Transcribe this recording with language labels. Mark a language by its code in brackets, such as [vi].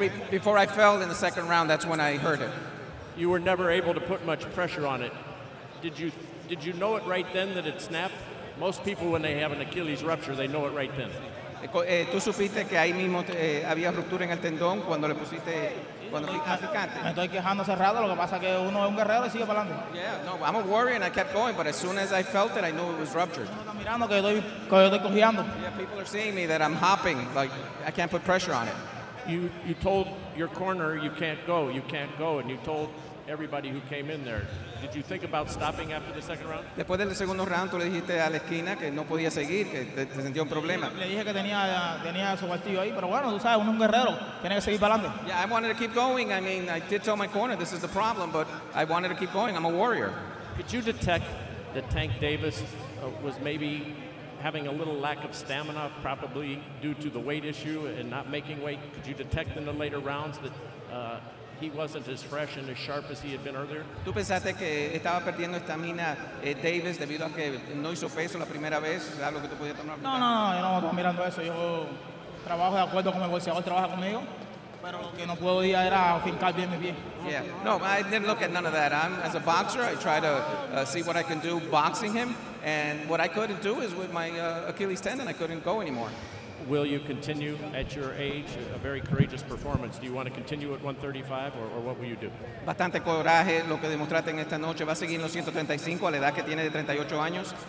[en] Before I fell in the second round, that's when I hurt it. You were never able to put much pressure on it. Did you know it right then that it snapped? Most people, when they have an Achilles rupture, they know it right then. [es] ¿Tú supiste que ahí mismo había ruptura en el tendón cuando le pusiste, cuando picaste? Me estoy quejando cerrado, lo que pasa es que uno es un guerrero y sigue para adelante. [en] Yeah, no, I'm a warrior and I kept going, but as soon as I felt it, I knew it was ruptured. [es] Están mirando que yo estoy cojeando. [en] Yeah, people are seeing me that I'm hopping, like I can't put pressure on it. You told your corner you can't go, and you told everybody who came in there. Did you think about stopping after the second round? [es] Después del segundo round, tú le dijiste a la esquina que no podía seguir, que te sentía un problema. Le dije que tenía su partido ahí, pero bueno, tú sabes, uno es un guerrero, tiene que seguir para adelante. [en] Yeah, I wanted to keep going. I mean, I did tell my corner this is the problem, but I wanted to keep going. I'm a warrior. Could you detect that Tank Davis was maybe having a little lack of stamina, probably due to the weight issue and not making weight? Could you detect in the later rounds that he wasn't as fresh and as sharp as he had been earlier? [es] ¿Tú pensaste que estaba perdiendo estamina Davis debido a que no hizo peso la primera vez? ¿Algo que tú podías tomar? No, yo no estaba mirando eso. Yo trabajo de acuerdo con el boxeador, trabaja conmigo. Pero lo que no puedo ir era fincar bien mi pie. [en] Yeah. No, I didn't look at none of that. I'm, as a boxer, I try to see what I can do boxing him. And what I couldn't do is with my Achilles tendon, I couldn't go anymore. Will you continue at your age, a very courageous performance? Do you want to continue at 135, or what will you do? [es] Bastante coraje lo que demostraste en esta noche. ¿Va a seguir en los 135 a la edad que tiene de 38 años?